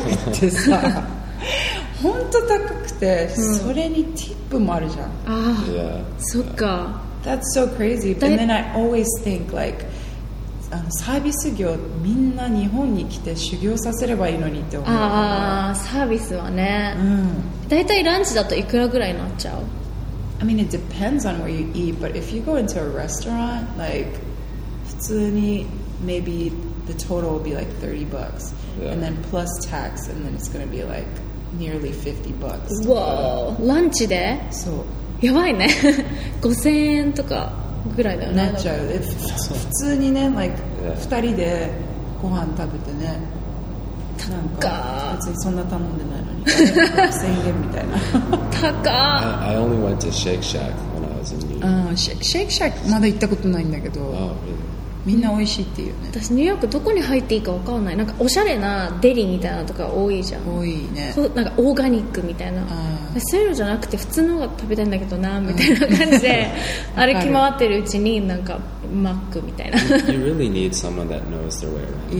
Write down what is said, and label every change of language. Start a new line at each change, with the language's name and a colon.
Japanese: ってさ本当高くて、うん、それにティップもあるじゃん。ああ、yeah. そっか、
English: That's so crazy. But then I always think like
Japanese: あのサービス業みんな日本に来て修行させればいいのにって思う。ああ、サービスはね、うん、だいたいランチだといくらぐらいになっちゃう？
English: I mean it depends on where you eat, but if you go into a restaurant like
Japanese: 普通に
English: maybe the total will be like 30 bucksYeah. And then plus tax, and then it's gonna be like nearly 50 bucks. Whoa! Lunch で? So.
Japanese: やばいね。5000円とかぐらいだよね。なっちゃう。普通にね、like, 二人でご飯食べてね。なんか、別にそんな頼んでないのに。 5000円みたいな。高
English: ー。 I only went to Shake Shack when I was in New York. Shake Shack?
Japanese: まだ行ったことないんだけど。
English: Oh, really?
Japanese: みんな美味しいっていうね。私ニューヨークどこに入っていいか分かんない。なんかおしゃれなデリみたいなとか多いじゃん。多いね。そう、なんかオーガニックみたいな。あ、そういうのじゃなくて普通の方が食べたいんだけどなみたいな感じで歩き回ってるうちになんかマックみたいな。
English: You really need someone that knows their way around.